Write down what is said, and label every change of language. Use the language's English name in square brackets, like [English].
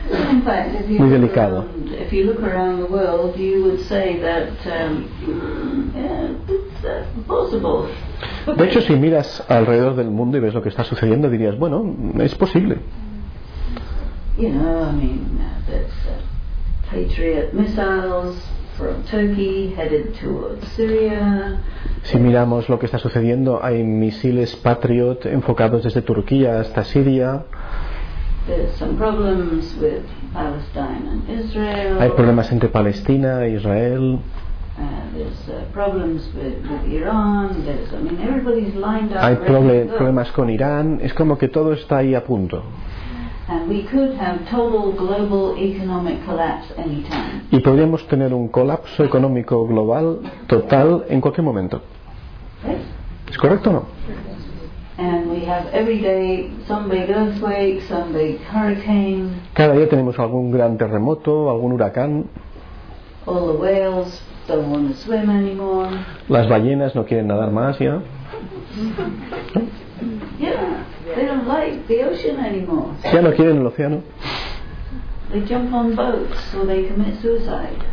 [English] In fact, if you [Spanish] muy delicado. [English] Around, if you look around the world, you would say that yeah, it's possible. [Spanish] De hecho, si miras alrededor del mundo y ves lo que está sucediendo, dirías, bueno, es posible. [English] You know, I mean, there's Patriot missiles from Turkey headed towards Syria. [Spanish] Si miramos lo que está sucediendo, hay misiles Patriot enfocados desde Turquía hasta Siria. [English] There's some problems with Palestine and Israel. [Spanish] Hay problemas entre Palestina e Israel. [English] There's problems with Iran. There's, I mean, everybody's lined up. [Spanish] Hay problemas con Irán. Es como que todo está ahí a punto. [English] And we could have total global economic collapse anytime. [Spanish] Y podríamos tener un colapso económico global total en cualquier momento. [English] Right? [Spanish] ¿Es correcto o no? [English] And we have every day some big earthquake, some big hurricane. [Spanish] Cada día tenemos algún gran terremoto, algún huracán. [English] All the whales don't want to swim anymore. [Spanish] Las ballenas no quieren nadar más ya. [English] Yeah, they don't like the ocean anymore. [Spanish] Ya no quieren el océano. [English] They jump on boats or they commit suicide.